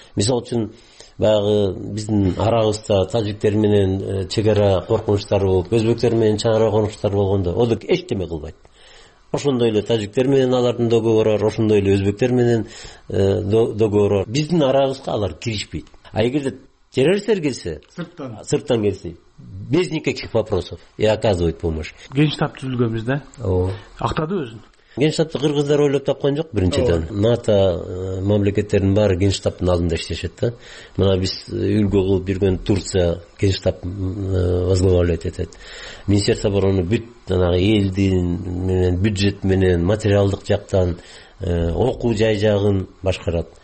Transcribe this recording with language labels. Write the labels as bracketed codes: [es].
[ky] Мисалы үчүн баягы биздин арабызда тажиктер менен чек ара коркунучтар болуп, өзбектер менен чек ара коркунучтар болгондо ОДК эчтеме кылбайт. Ошондой эле тажиктер менен алардын договору бар, ошондой эле өзбектер менен договору бар. Биздин арабызга алар киришпейт. А эгерде террористтер келсе, сырттан [ru] келсе, без никаких вопросов и оказывает помощь. [ky] Генштаб түзүлгөн бизде. Актады өзүн. Генштабты кыргыздар ойлоп тапкан жок биринчиден. НАТО мамлекеттеринин баары генштабтын алдында иштешет да. Мына биз үлгү кылып жүргөн Турция генштаб возглавляет этот. Министерство обороны бүт жанагы элдин менен бюджет менен материалдык жактан окуу жай жагын башкарат.